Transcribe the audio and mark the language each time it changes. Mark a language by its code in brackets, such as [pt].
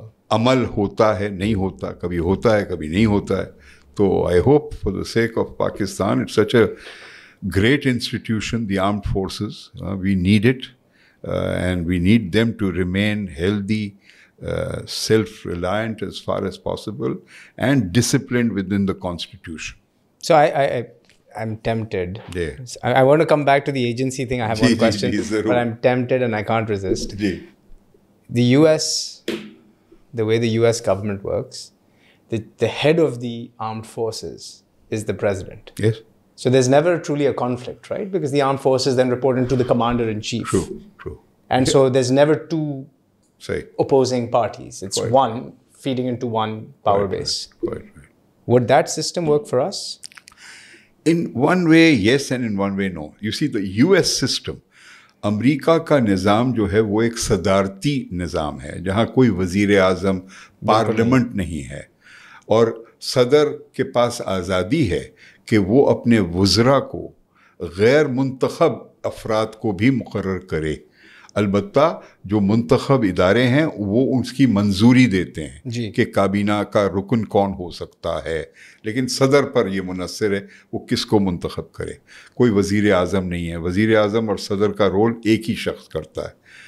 [en] عمل ہوتا ہے نہیں ہوتا، کبھی ہوتا ہے کبھی نہیں ہوتا ہے۔ تو I hope for the sake of Pakistan, it's such a great institution, the armed forces, we need it, and we need them to remain healthy, self-reliant as far as possible, and disciplined within the constitution. So I'm tempted. I want to come back to the agency thing. I have one question, but I'm tempted and I can't resist. The US, the way the US government works, the head of the armed forces is the president. Yes. So there's never truly a conflict, right? Because the armed forces then report into the commander in chief. True. And yeah. So there's never two opposing parties. It's quite one feeding into one power base. Quite right. Would that system work for us? In one way, yes, and in one way, no. [ur] You see, the US system, امریکہ کا نظام جو ہے وہ ایک صدارتی نظام ہے جہاں کوئی وزیر اعظم، پارلیمنٹ نہیں ہے، اور صدر کے پاس آزادی ہے کہ وہ اپنے وزراء کو، غیر منتخب افراد کو بھی مقرر کرے، البتہ جو منتخب ادارے ہیں وہ اس کی منظوری دیتے ہیں کہ کابینہ کا رکن کون ہو سکتا ہے، لیکن صدر پر یہ منحصر ہے وہ کس کو منتخب کرے۔ کوئی وزیر اعظم نہیں ہے، وزیر اعظم اور صدر کا رول ایک ہی شخص کرتا ہے۔